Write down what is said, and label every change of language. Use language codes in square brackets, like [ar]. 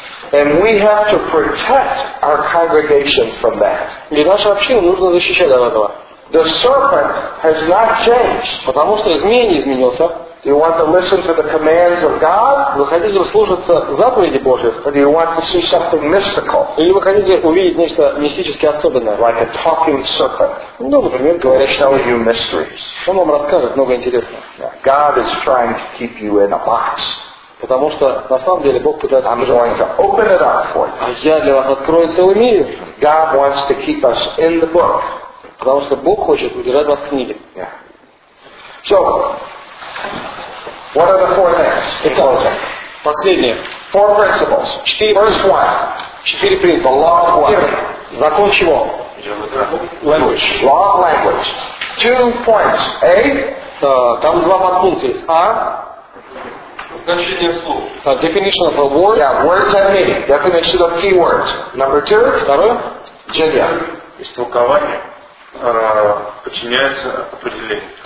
[en] And we have to protect our congregation from that. [ru] И наша община нужно защищать от этого. [en] The serpent has not changed. [ru] Потому что змей не изменился. [en] Do you want to listen to the commands of God? [ru] Вы хотите слушаться заповеди Божьи? [en] Or do you want to see something mystical? [ru] Или вы хотите увидеть нечто мистически особенное? [en] Like a talking serpent. [ru] Ну, например, говорящий змей. [en] Tell you mysteries. [ru] Он вам расскажет много интересного. [en] Now, God is trying to keep you in a box. [ru] Потому что на самом деле Бог пытается. [en] I'm going to open it up for you. [ru] А я для вас открою целый мир. [en] God wants to keep us in the book. [ru] Потому что Бог хочет удержать вас в книге. [en] Yeah. So, what are the four things? [ru] Итак, последнее. [en] Four principles. [ru] Четыре. [en] First one. [ru] Четыре принципа. [en] Law of what? [ru] Закон чего? [en] Language. Law of language. Two points. A. [ru] Там два подпункта есть. А. Значение слов. [en] Definition of a word. Yeah, words and meaning. Definition of keywords. Number two. [ru] Второе. Genia. Истолкование подчиняется определению.